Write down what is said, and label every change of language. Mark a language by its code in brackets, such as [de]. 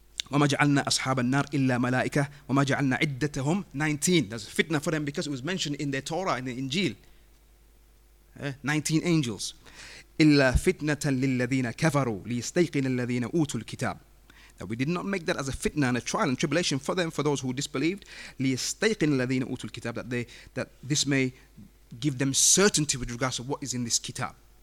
[ar] وما جعلنا أصحاب النار إلا ملائكة وما جعلنا عدتهم 19. [en] That's a fitna for them because it was mentioned in the Torah, in the Injil. 19 angels. [ar] إلا فتنة للذين كفروا ليستيقن الذين أوتوا الكتاب. [en] That we did not make that as a fitna and a trial and tribulation for them, for those who disbelieved. [ar] ليستيقن الذين أوتوا الكتاب. [en] That this may give them certainty with regards to what is in this kitab.